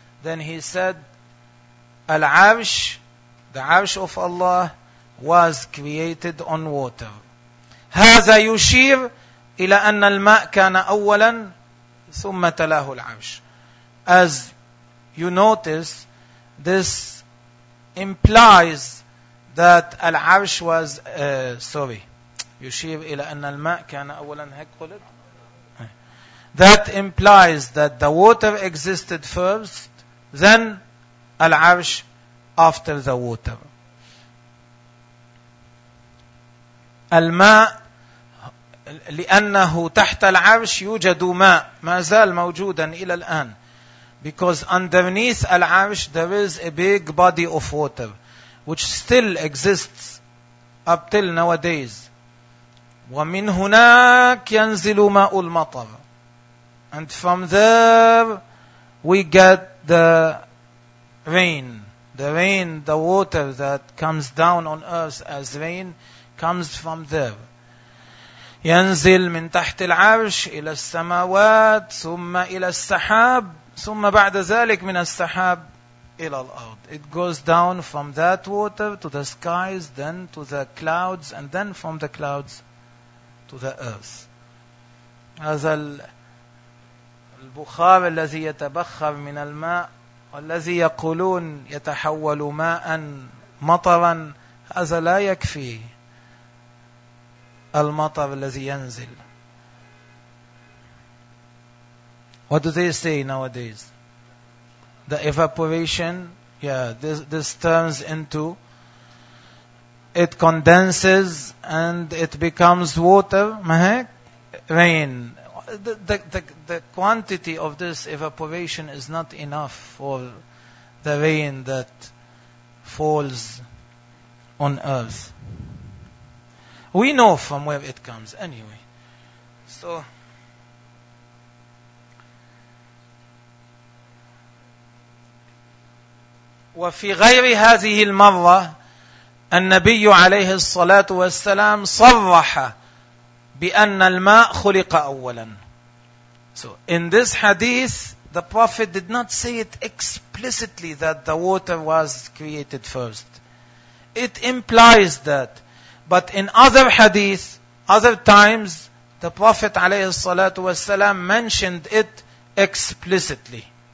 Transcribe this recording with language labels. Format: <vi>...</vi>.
<en>Then he said العرش, the عرش of Allah was created on water.</en> <ar>هذا يشير إلى أن الماء كان أولا ثم تلاه العرش.</ar> <en>As you notice, this implies that</en> <ar>العرش</ar> <en>was sorry,</en> <ar>يشير إلى أن الماء كان أولا, هيك قلت.</ar> <en>That implies that the water existed first, then العرش after the water.</en> <ar>الماء لأنه تحت العرش يوجد ماء ما زال موجودا إلى الآن.</ar> <en>Because underneath العرش there is a big body of water which still exists up till nowadays.</en> <ar>ومن هناك ينزل ماء المطر.</ar> <en>And from there we get the rain, the water that comes down on earth as rain comes from there.</en> <ar>ينزل من تحت العرش إلى السماوات ثم إلى السحاب ثم بعد ذلك من السحاب إلى الأرض.</ar> <en>It goes down from that water to the skies, then to the clouds, and then from the clouds to the earth.</en> <ar>هذا البخار الذي يتبخر من الماء والذي يقولون يتحول ماء مطرا, هذا لا يكفي. المطر الذي ينزل.</ar> <en>What do they say nowadays? The evaporation, this turns into, it condenses and it becomes water, mahek, rain. The quantity of this evaporation is not enough for the rain that falls on earth. We know from where it comes anyway.</en> <ar>So وفي غير هذه المرة النبي عليه الصلاة والسلام صرح بأن الماء خلق أولا.</ar> <en>So in this hadith the Prophet did not say it explicitly that the water was created first. It implies that. But in other hadith, other times, the Prophet</en> <ar>عليه الصلاة والسلام</ar> <en>mentioned it explicitly.</en>